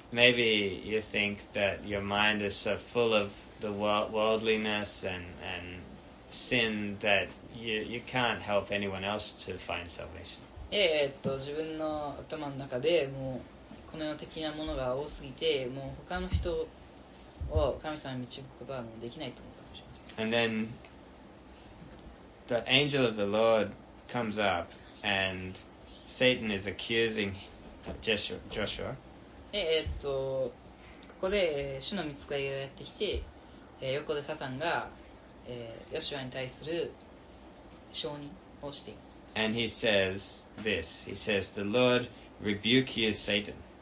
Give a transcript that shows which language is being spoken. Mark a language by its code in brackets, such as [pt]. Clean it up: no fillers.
[en] Maybe you think that your mind is so full of the worldliness and sin that you can't help anyone else to find salvation. [ja] 自分の頭の中でもうこの世的なものが多すぎて、もう他の人を神様に導くことはもうできないと思うかもしれません。 [en] And then the angel of the Lord comes up. And Satan is accusing Joshua. [ja] ここで主の御使いがやってきて、横でサタンが、ヨシュアに対する証人をしています。 [en] And he says this. He says, "The Lord rebuke you, Satan."